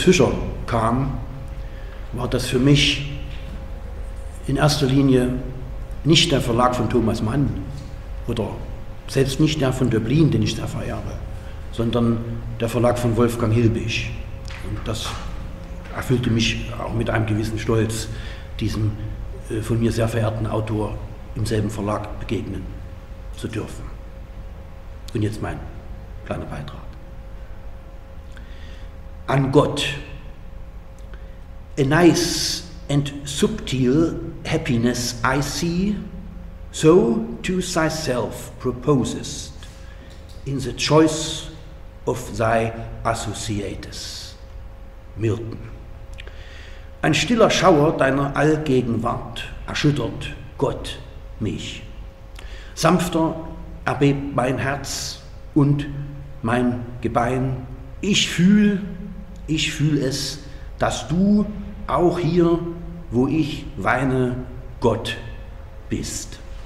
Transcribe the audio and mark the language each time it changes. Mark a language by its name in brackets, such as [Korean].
[German] Fischer kam, war das für mich in erster Linie nicht der Verlag von Thomas Mann oder selbst nicht der von Döblin, den ich sehr verehre, sondern der Verlag von Wolfgang Hilbig. Und das erfüllte mich auch mit einem gewissen Stolz, diesem von mir sehr verehrten Autor im selben Verlag begegnen zu dürfen. Und jetzt mein kleiner Beitrag. An Gott. [English] A nice and subtle happiness I see, so to thyself proposest in the choice of thy associates. Milton. [German] Ein stiller Schauer deiner Allgegenwart erschüttert Gott mich. Sanfter erbebt mein Herz und mein Gebein. Ich fühl es, dass du auch hier, wo ich weine, Gott bist.